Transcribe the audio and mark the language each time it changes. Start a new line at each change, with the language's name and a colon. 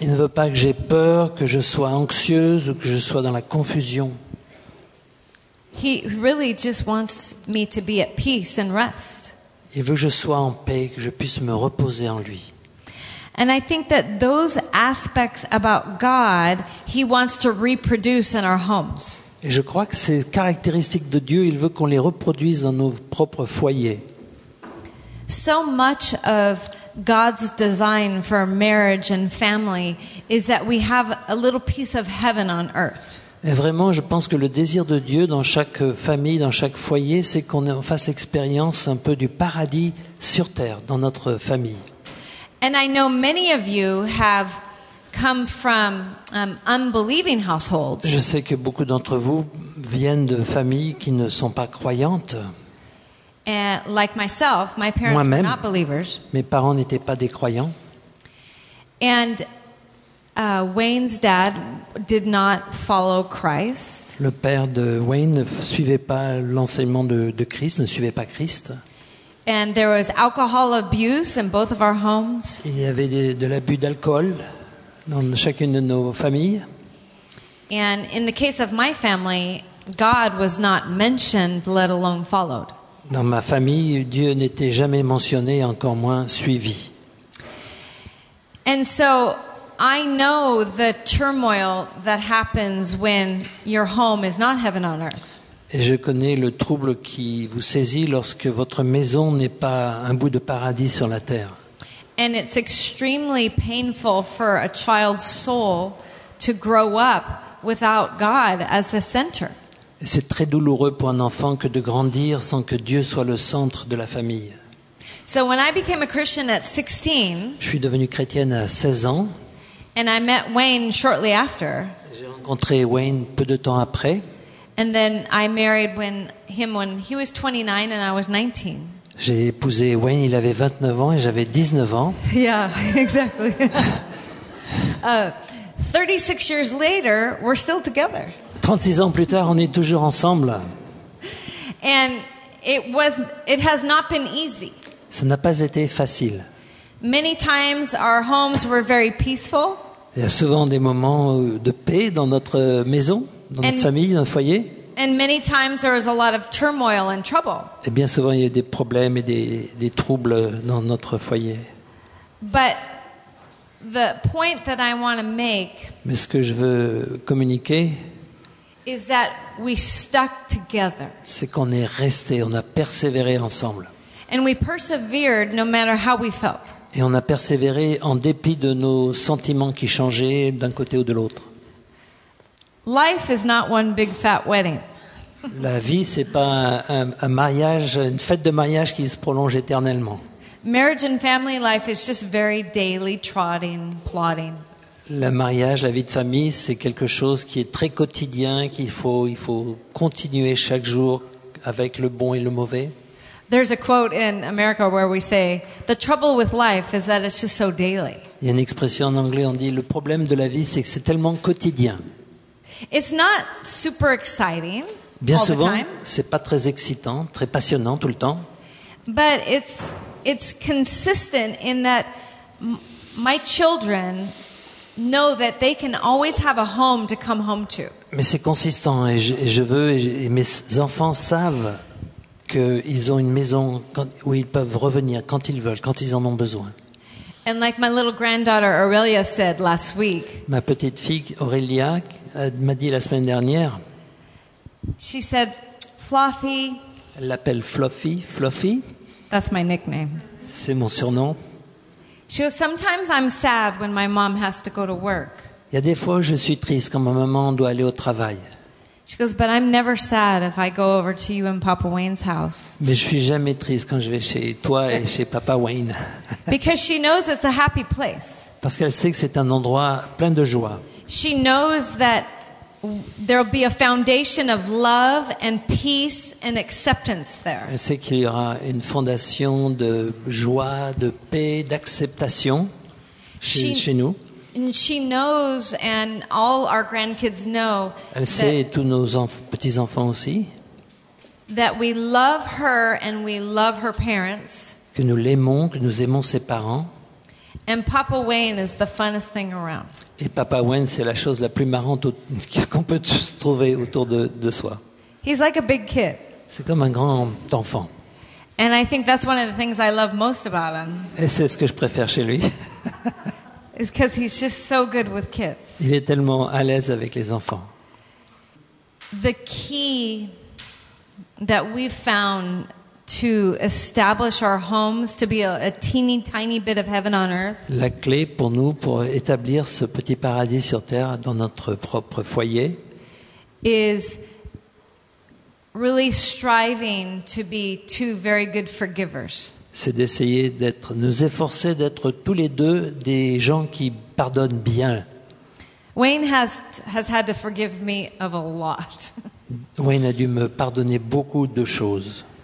French: Il ne veut pas que j'aie peur, que je sois anxieuse ou que je sois dans la confusion.
English: He really just wants me to be at peace and rest.
French: Il veut que je sois en paix, que je puisse me reposer en lui.
English: And I think that those aspects about God, he wants to reproduce in our homes.
French: Et je crois que ces caractéristiques de Dieu, il veut qu'on les reproduise dans nos propres foyers.
English: So much of God's design for marriage and family is that we have a little piece of heaven on earth.
French: Et vraiment, je pense que le désir de Dieu dans chaque famille, dans chaque foyer, c'est qu'on fasse l'expérience un peu du paradis sur terre dans notre famille.
English: And I know many of you have come from unbelieving households.
French: Je sais que beaucoup d'entre vous viennent de familles qui ne sont pas croyantes.
English: And like myself, my parents
French: Moi-même,
English: were not believers.
French: Mes parents n'étaient pas des croyants.
English: And Wayne's dad did not follow Christ.
French: Le père de Wayne ne suivait pas l'enseignement de Christ, ne suivait pas Christ.
English: And there was alcohol abuse in both of our homes.
French: Il y avait de l'abus d'alcool dans chacune de nos familles.
English: And in the case of my family, God was not mentioned, let alone followed.
French: Dans ma famille, Dieu n'était jamais mentionné, encore moins suivi.
English: And so I know the turmoil that happens when your home is not heaven on earth.
French: Et je connais le trouble qui vous saisit lorsque votre maison n'est pas un bout de paradis sur la terre.
English: And it's extremely painful for a child's soul to grow up without God as the center.
French: Et c'est très douloureux pour un enfant que de grandir sans que Dieu soit le centre de la famille.
English: So when I became a Christian at 16,
French: je suis devenue chrétienne à 16 ans.
English: And I met Wayne shortly after.
French: J'ai rencontré Wayne peu de temps après.
English: And then I married when he was 29 and I was 19.
French: J'ai épousé Wayne, il avait 29 ans et j'avais 19 ans.
English: Yeah, exactly. 36 years later, we're still together.
French: 36 ans plus tard, on est toujours ensemble.
English: And it has not been easy.
French: Ça n'a pas été facile.
English: Many times our homes were very peaceful.
French: Il y a souvent des moments de paix dans notre maison. Dans notre famille, dans notre foyer.
English: And many times there was a lot of turmoil and trouble.
French: Et bien souvent, il y a des problèmes et des troubles dans notre foyer.
English: But the point that I want to make.
French: Mais ce que je veux communiquer.
English: Is that we stuck together.
French: C'est qu'on est resté, on a persévéré ensemble.
English: And we persevered no matter how we felt.
French: Et on a persévéré en dépit de nos sentiments qui changeaient d'un côté ou de l'autre.
English: Life is not one big fat wedding.
French: La vie, c'est pas un mariage, une fête de mariage qui se prolonge éternellement.
English: Marriage and family life is just very daily trotting, plodding.
French: Le mariage, la vie de famille, c'est quelque chose qui est très quotidien, qu'il faut continuer chaque jour avec le bon et le mauvais.
English: There's a quote in America where we say the trouble with life is that it's just so daily.
French: Il y a une expression en anglais, on dit le problème de la vie, c'est que c'est tellement quotidien.
English: It's not super exciting all the time.
French: Bien souvent, c'est pas très excitant, très passionnant tout le temps.
English: But it's consistent in that my children know that they can always have a home to come home to.
French: Mais c'est consistant et mes enfants savent qu'ils ont une maison où ils peuvent revenir quand ils veulent, quand ils en ont besoin.
English: And like my little granddaughter Aurelia said last week.
French: Ma petite fille Aurelia m'a dit la semaine dernière.
English: She said, Fluffy.
French: Elle l'appelle Fluffy. Fluffy.
English: That's my nickname.
French: C'est mon surnom.
English: She goes, sometimes I'm sad when my mom has to go to work.
French: Il y a des fois où je suis triste quand ma maman doit aller au travail.
English: She goes, but I'm never sad if I go over to you and Papa Wayne's house.
French: Mais je suis jamais triste quand je vais chez toi et chez Papa Wayne.
English: Because she knows it's a happy place.
French: Parce qu'elle sait que c'est un endroit plein de joie.
English: She knows that there'll be a foundation of love and peace and acceptance there.
French: Et c'est qu'il y aura une fondation de joie, de paix, d'acceptation chez nous.
English: And she knows, and all our grandkids know.
French: Elle sait, et tous nos petits-enfants aussi.
English: That we love her and we love her parents.
French: Que nous l'aimons, que nous aimons ses parents.
English: And Papa Wayne is the funnest thing around.
French: Et Papa Wayne, c'est la chose la plus marrante qu'on peut trouver autour de soi.
English: He's like a big kid.
French: C'est comme un grand enfant.
English: And I think that's one of the things I love most about him.
French: Et c'est ce que je préfère chez lui.
English: It's because he's just so good with kids.
French: Il est tellement à l'aise avec les enfants.
English: The key that we've found to establish our homes to be a teeny tiny bit of heaven on earth.
French: La clé pour nous pour établir ce petit paradis sur terre dans notre propre foyer
English: is really striving to be two very good forgivers.
French: C'est d'essayer d'être, nous efforcer d'être tous les deux des gens qui pardonnent bien.
English: Wayne has had to forgive me of a lot.
French: Wayne a dû me pardonner beaucoup de choses.